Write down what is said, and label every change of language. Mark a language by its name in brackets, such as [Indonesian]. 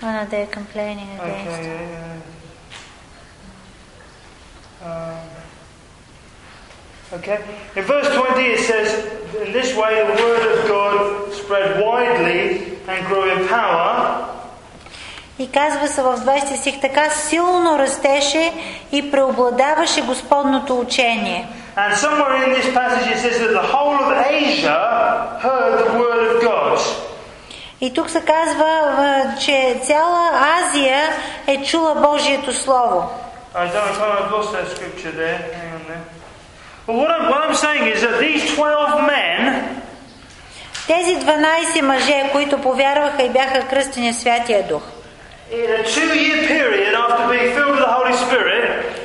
[English] They're complaining against. Okay, yeah. Okay. In verse 20 it says, in this way the word of God spread widely and grew in power. [Bulgarian] И казва се в 20 стих, така силно растеше и преобладаваше Господното учение. [English] And somewhere in this passage it says that the whole of Asia heard the word of God. [Bulgarian] И тук се казва, че цяла Азия е чула Божието слово. [English] I've lost that scripture there. Hang on there. But what I'm saying is that these 12 men, [Bulgarian] тези 12 мъже, които повярваха и бяха кръстени в Святия Дух, [English] In a 2-year period after being filled with the Holy Spirit,